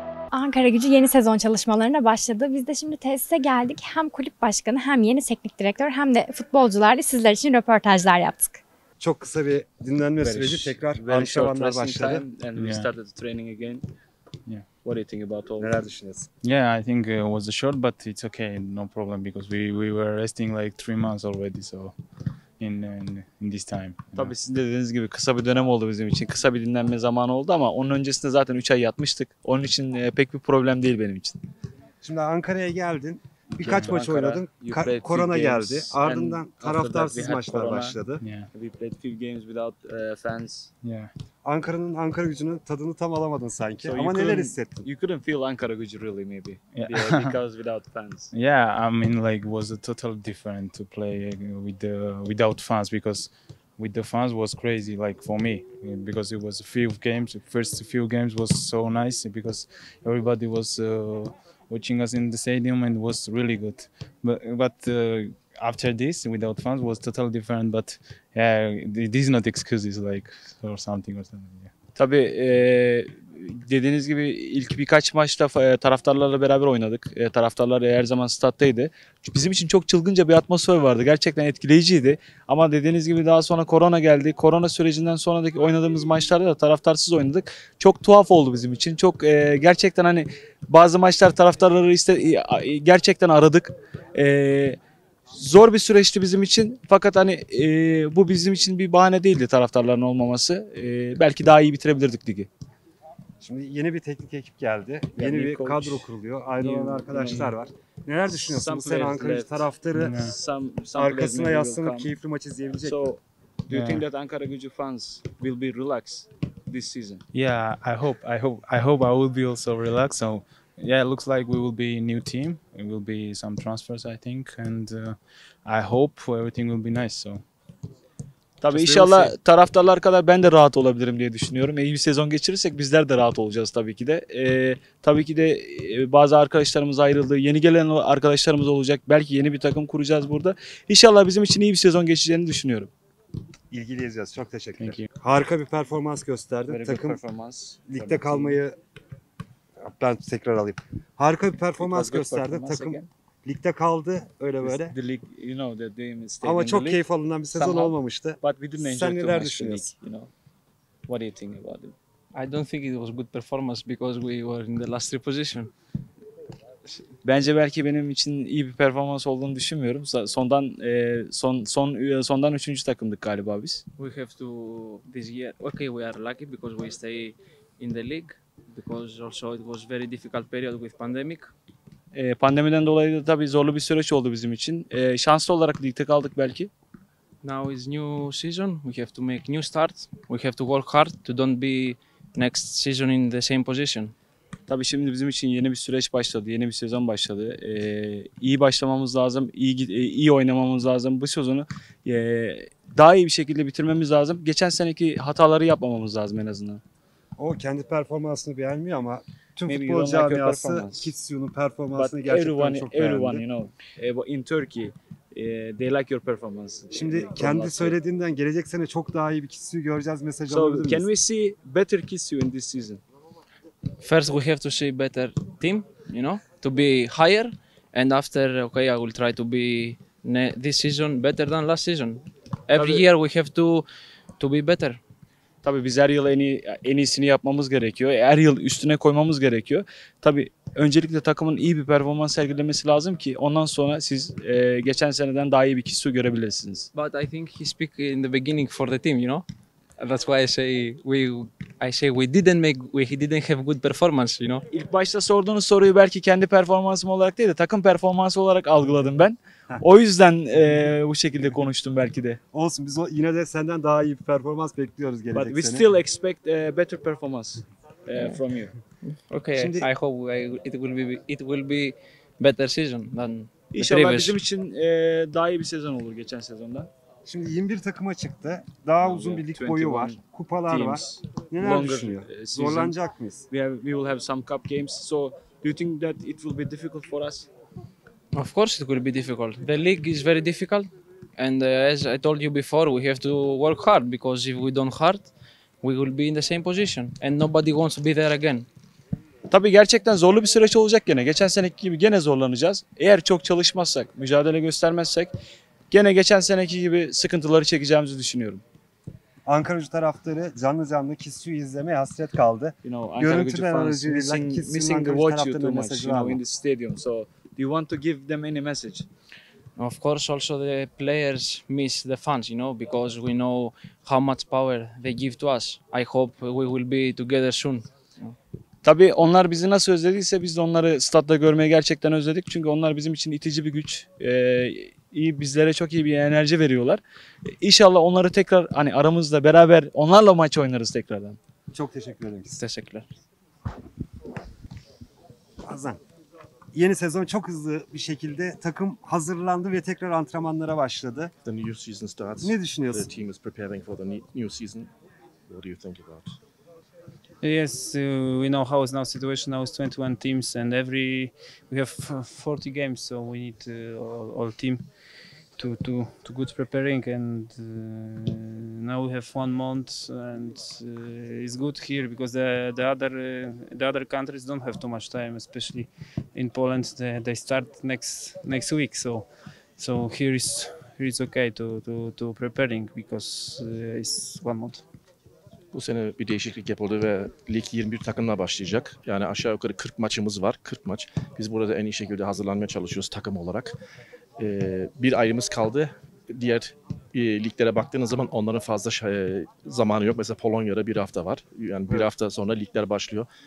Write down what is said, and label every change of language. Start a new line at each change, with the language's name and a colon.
Turkish: Ankaragücü yeni sezon çalışmalarına başladı. Biz de şimdi tesise geldik. Hem kulüp başkanı, hem yeni teknik direktör, hem de futbolcularla sizler için röportajlar yaptık. Çok kısa bir dinlenme süreci tekrar antrenmanlar başladı.
English: And we started the training again. Yeah. What do you think about all?
Turkish: Neler düşünüyorsun?
English: Yeah, I think it was a short, but it's okay, no problem because we were resting like 3 months already, so in this time.
Turkish: Tabii sizin dediğiniz gibi kısa bir dönem oldu bizim için. Kısa bir dinlenme zamanı oldu ama onun öncesinde zaten 3 ay yatmıştık. Onun için pek bir problem değil benim için. Şimdi Ankara'ya geldin. Birkaç maç oynadın. Korona geldi. Ardından taraftarsız maçlar başladı. Yeah. We played few games without fans. Yeah. Ankara'nın Ankara gücünün tadını tam alamadın sanki. So ama neler hissettin?
English: You couldn't feel Ankara gücü really maybe. Yeah. Because without fans. Yeah, I mean like was a total different to play without fans because with the fans was crazy like for me because it was a few games. First few games was so nice because everybody was watching us in the stadium and was really good, but after this without fans was totally different. But yeah, this is not excuses like or something or something. Yeah.
Turkish: Tabii dediğiniz gibi ilk birkaç maçta taraftarlarla beraber oynadık. Taraftarlar her zaman stattaydı. Bizim için çok çılgınca bir atmosfer vardı. Gerçekten etkileyiciydi. Ama dediğiniz gibi daha sonra korona geldi. Korona sürecinden sonraki oynadığımız maçlarda da taraftarsız oynadık. Çok tuhaf oldu bizim için. Çok gerçekten hani bazı maçlar taraftarları gerçekten aradık. Zor bir süreçti bizim için. Fakat hani bu bizim için bir bahane değildi taraftarların olmaması. Belki daha iyi bitirebilirdik ligi. Şimdi yeni bir teknik ekip geldi. Yani yeni bir kadro kuruluyor. Ayrılan arkadaşlar var. Neler düşünüyorsun? Bu sene Ankara Gücü taraftarı arkasına yaslanıp keyifli maç izleyebilecek.
English: So, do you think that Ankara Gücü fans will be relaxed this season? Yeah, I hope I will be also relaxed. So, yeah, it looks like we will be a new team. It will be some transfers, I think. And I hope everything will be nice. So.
Turkish: Tabii inşallah taraftarlar kadar ben de rahat olabilirim diye düşünüyorum. İyi bir sezon geçirirsek bizler de rahat olacağız tabii ki de. Tabii ki de bazı arkadaşlarımız ayrıldı. Yeni gelen arkadaşlarımız olacak. Belki yeni bir takım kuracağız burada. İnşallah bizim için iyi bir sezon geçeceğini düşünüyorum. İlgili izleyeceğiz. Çok teşekkürler. Harika bir performans gösterdin. Takım ligde kalmayı... Ben tekrar alayım. Harika bir performans gösterdin. Takım... Ligde kaldı öyle böyle.
English: The league, you know, the game is
Turkish: ama çok keyif alınan bir sezon
English: somehow,
Turkish: olmamıştı.
English: But we didn't enjoy.
Turkish: Sen neler düşünüyorsun?
English: What do you think about it? I don't think it was good performance because we were in the last three position.
Turkish: Bence belki benim için iyi bir performans olduğunu düşünmüyorum. Sondan sondan üçüncü takımdık galiba biz.
English: We have to this year. Okay, we are lucky because we stay in the league because also it was very difficult period with pandemic.
Turkish: Pandemiden dolayı da tabii zorlu bir süreç oldu bizim için. Şanslı olarak ligde kaldık belki.
English: Now is new season. We have to make new start. We have to work hard to don't be next season in the same position.
Turkish: Tabii şimdi bizim için yeni bir süreç başladı. Yeni bir sezon başladı. İyi başlamamız lazım. İyi oynamamız lazım. Bu sezonu daha iyi bir şekilde bitirmemiz lazım. Geçen seneki hataları yapmamamız lazım en azından. O kendi performansını beğenmiyor ama tüm
English: maybe
Turkish: futbol camiası
English: like
Turkish: Kitsyu'nun performansını
English: but
Turkish: gerçekten
English: everyone,
Turkish: çok
English: everyone,
Turkish: beğendi.
English: Everyone, you know, in Turkey, they like your performance.
Turkish: Şimdi kendi söylediğinden gelecek sene çok daha iyi bir Kitsyu göreceğiz mesajı alabilir miyiz?
English: So, can we see better Kitsyu in this season? First, we have to see better team, you know, to be higher. And after, okay, I will try to be this season better than last season. Every year we have to be better.
Turkish: Tabii biz her yıl en iyisini yapmamız gerekiyor. Her yıl üstüne koymamız gerekiyor. Tabii öncelikle takımın iyi bir performans sergilemesi lazım ki ondan sonra siz geçen seneden daha iyi bir kişi görebilirsiniz.
English: But I think he speak in the beginning for the team, you know. That's why I say we didn't make we he didn't have good performance, you know.
Turkish: İlk başta sorduğunuz soruyu belki kendi performansım olarak değil de takım performansı olarak algıladım ben. O yüzden bu şekilde konuştum belki de. Olsun, biz yine de senden daha iyi bir performans bekliyoruz gelecek sene.
English: But we still expect better performance from you. Okay,
Turkish: şimdi,
English: I hope it will be better season than
Turkish: inşallah bizim için daha iyi bir sezon olur geçen sezondan. Şimdi 21 takıma çıktı. Daha uzun bir lig boyu var. Kupalar
English: teams,
Turkish: var. Neler düşünüyor? Zorlanacak mıyız?
English: We will have some cup games. So, do you think that it will be difficult for us? Of course it will be difficult. The league is very difficult and as I told you before we have to work hard because if we don't hard we will be in the same position and nobody wants to be there again.
Turkish: Tabii gerçekten zorlu bir süreç olacak gene. Geçen seneki gibi gene zorlanacağız. Eğer çok çalışmazsak, mücadele göstermezsek gene geçen seneki gibi sıkıntıları çekeceğimizi düşünüyorum. Ankara Gücü taraftarı canlı canlı Kisu'yu izlemeye hasret kaldı. Görüntüden aracılığıyla Kisu'nun Ankara Gücü taraftarının mesajı var.
English: In the stadium. So, do you want to give them any message? Of course, also the players miss the fans, you know, because we know how much power they give to us. I hope we will be together soon.
Turkish: Tabii onlar bizi nasıl özlediyse biz de onları statta görmeye gerçekten özledik. Çünkü onlar bizim için itici bir güç. İyi bizlere çok iyi bir enerji veriyorlar. İnşallah onları tekrar hani aramızda beraber onlarla maç oynarız tekrardan. Çok teşekkür ederim. Size. Teşekkürler. Hazan. Yeni sezon çok hızlı bir şekilde takım hazırlandı ve tekrar antrenmanlara başladı.
English: The new season starts.
Turkish: Ne düşünüyorsun?
English: The team is preparing for the new season. What do you think about? Yes, we know how is now situation. Now it's 21 teams and we have 40 games, so we need all team to good preparing and now we have 1 month and it's good here because the other countries don't have too much time, especially in Poland they start next week, so here is okay to preparing because it's 1 month.
Turkish: Bu sene bir değişiklik yapıldı ve lig 21 takımla başlayacak. Yani aşağı yukarı 40 maçımız var, 40 maç. Biz burada en iyi şekilde hazırlanmaya çalışıyoruz takım olarak. Bir ayımız kaldı. Diğer liglere baktığınız zaman onların fazla zamanı yok. Mesela Polonya'da bir hafta var. Yani bir hafta sonra ligler başlıyor.